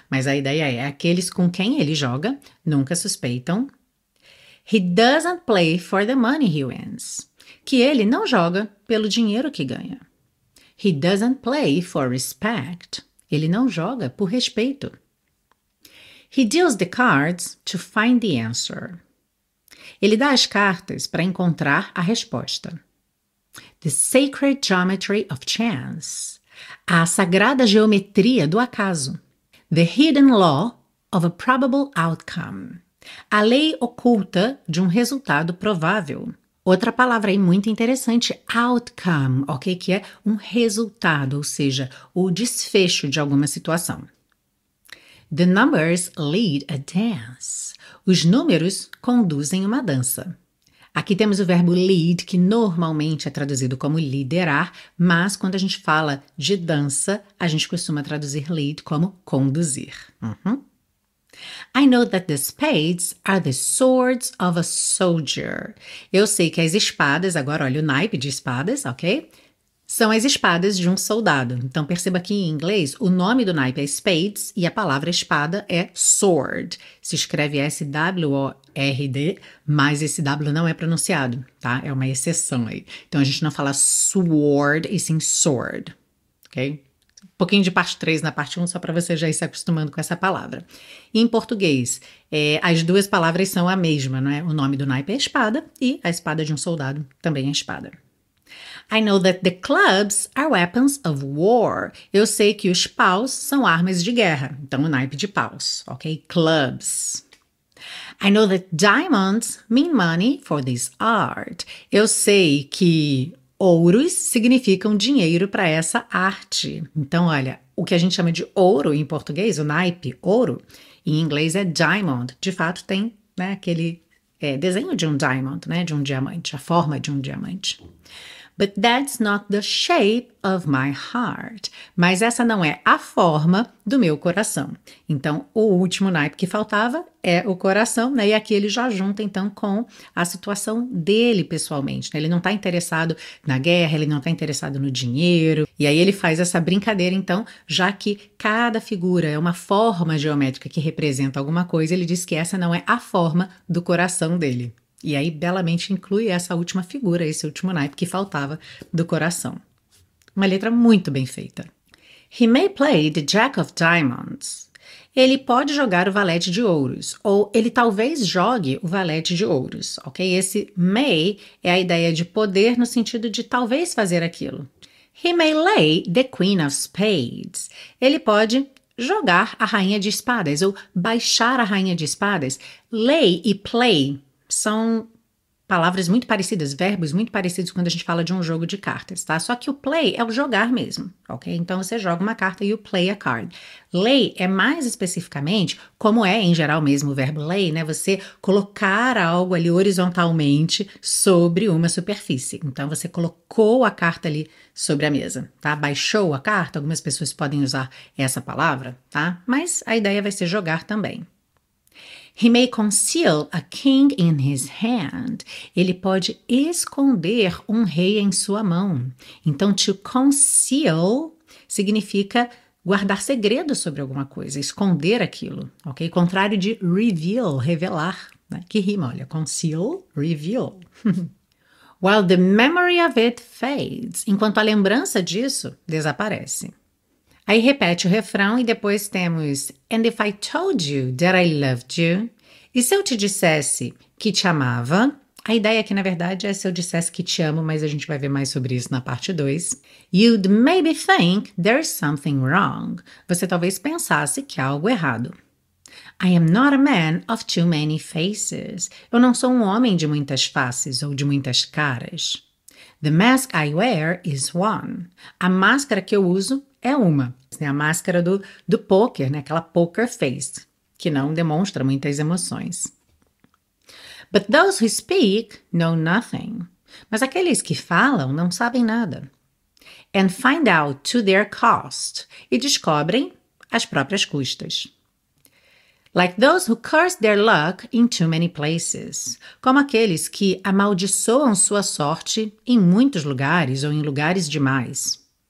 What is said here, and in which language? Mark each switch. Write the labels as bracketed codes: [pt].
[pt] Mas a ideia é aqueles com quem ele joga nunca suspeitam. [en] He doesn't play for the money he wins, [pt] que ele não joga pelo dinheiro que ganha. [en] He doesn't play for respect, [pt] ele não joga por respeito. [en] He deals the cards to find the answer. [pt] Ele dá as cartas para encontrar a resposta. [en] The sacred geometry of chance. [pt] A sagrada geometria do acaso. [en] The hidden law of a probable outcome. [pt] A lei oculta de um resultado provável. Outra palavra aí muito interessante, outcome, ok? Que é um resultado, ou seja, o desfecho de alguma situação. [en] The numbers lead a dance. [pt] Os números conduzem uma dança. Aqui temos o verbo lead, que normalmente é traduzido como liderar, mas quando a gente fala de dança, a gente costuma traduzir lead como conduzir. [en] I know that the spades are the swords of a soldier. [pt] Eu sei que as espadas, agora olha o naipe de espadas, ok? São as espadas de um soldado. Então, perceba que em inglês, o nome do naipe é spades e a palavra espada é sword. Se escreve S-W-O-R-D, mas esse W não é pronunciado, tá? É uma exceção aí. Então, a gente não fala sword e sim sword, ok? Um pouquinho de parte 3 na parte 1, só para você já ir se acostumando com essa palavra. Em português, as duas palavras são a mesma, não é? O nome do naipe é espada e a espada de um soldado também é espada. [en] I know that the clubs are weapons of war. [pt] Eu sei que os paus são armas de guerra. Então, o naipe de paus, ok? Clubs. [en] I know that diamonds mean money for this art. [pt] Eu sei que ouros significam dinheiro para essa arte. Então, olha, o que a gente chama de ouro em português, o naipe, ouro, Em inglês é diamond. De fato, tem, né, aquele desenho de um diamond, né, de um diamante, a forma de um diamante. [en] But that's not the shape of my heart. [pt] Mas essa não é a forma do meu coração. Então, o último naipe que faltava é o coração, né? E aqui ele já junta, então, com a situação dele pessoalmente, né? Ele não está interessado na guerra, ele não está interessado no dinheiro. E aí ele faz essa brincadeira, então, já que cada figura é uma forma geométrica que representa alguma coisa, ele diz que essa não é a forma do coração dele. E aí, belamente inclui essa última figura, esse último naipe que faltava do coração. Uma letra muito bem feita. [en] He may play the Jack of Diamonds. [pt] Ele pode jogar o valete de ouros, ou ele talvez jogue o valete de ouros, ok? Esse may é a ideia de poder no sentido de talvez fazer aquilo. [en] He may lay the Queen of Spades. [pt] Ele pode jogar a rainha de espadas, ou baixar a rainha de espadas. Lay e play são palavras muito parecidas, verbos muito parecidos quando a gente fala de um jogo de cartas, tá? Só que o play é o jogar mesmo, ok? Então você joga uma carta e [en] you play a card. [pt] Lay é mais especificamente, como é em geral mesmo o verbo lay, né? Você colocar algo ali horizontalmente sobre uma superfície. Então você colocou a carta ali sobre a mesa, tá? Baixou a carta, algumas pessoas podem usar essa palavra, tá? Mas a ideia vai ser jogar também. [en] He may conceal a king in his hand. [pt] Ele pode esconder um rei em sua mão. Então, to conceal significa guardar segredo sobre alguma coisa, esconder aquilo, ok? Contrário de reveal, revelar, né? Que rima, olha, conceal, reveal. [en] While the memory of it fades, [pt] enquanto a lembrança disso desaparece. Aí repete o refrão e depois temos [en] And if I told you that I loved you? [pt] E se eu te dissesse que te amava? A ideia aqui, na verdade, é se eu dissesse que te amo, mas a gente vai ver mais sobre isso na parte 2. [en] You'd maybe think there's something wrong. [pt] Você talvez pensasse que há algo errado. [en] I am not a man of too many faces. [pt] Eu não sou um homem de muitas faces ou de muitas caras. [en] The mask I wear is one. [pt] A máscara que eu uso é uma. É a máscara do poker, né? Aquela poker face, que não demonstra muitas emoções. [en] But those who speak know nothing. [pt] Mas aqueles que falam não sabem nada. [en] And find out to their cost. [pt] E descobrem às próprias custas. [en] Like those who curse their luck in too many places. [pt] Como aqueles que amaldiçoam sua sorte em muitos lugares ou em lugares demais.